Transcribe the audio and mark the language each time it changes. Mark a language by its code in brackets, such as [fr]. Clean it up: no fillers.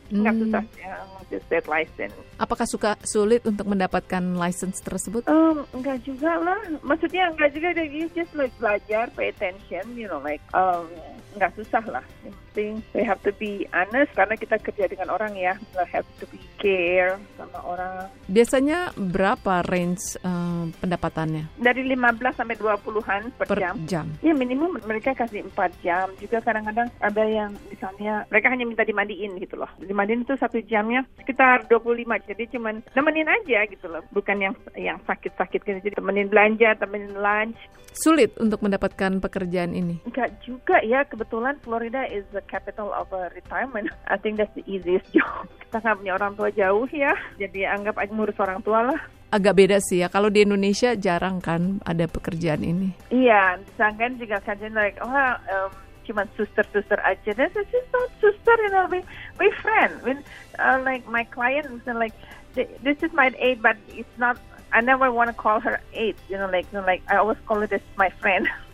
[id] Enggak susah ya, state license. Apakah suka sulit untuk mendapatkan license tersebut? Enggak juga lah. Maksudnya enggak juga, [en] you just like [id] belajar, [en] pay attention, you know, like [id] enggak susah lah. Yang penting [en] we have to be honest [id] karena kita kerja dengan orang ya. [en] We have to be care [id] sama orang. Biasanya berapa range pendapatannya? Dari 15 sampai 20-an per jam. Ya minimum mereka kasih 4 jam. Juga kadang-kadang ada yang misalnya mereka hanya minta dimandiin gitu loh. Dimandiin itu 1 jamnya sekitar 25. Jadi cuman temenin aja gitu loh. Bukan yang sakit-sakit gitu. Jadi temenin belanja, temenin lunch. Sulit untuk mendapatkan pekerjaan ini? Enggak juga ya. Kebetulan [en] Florida is the capital of retirement. I think that's the easiest job. [id] Kita gak punya orang tua jauh ya. Jadi anggap aja ngurus orang tua lah. Agak beda sih ya. Kalau di Indonesia jarang kan ada pekerjaan ini. Iya. Sedangkan juga kajian [en] like, oh, [id] cuman suster-suster aja. [en] This is not suster, you know. We friend. When, like my client, like, this is my aide, but it's not, I never want to call her aide. You know, like, you know, like I always call this my friend.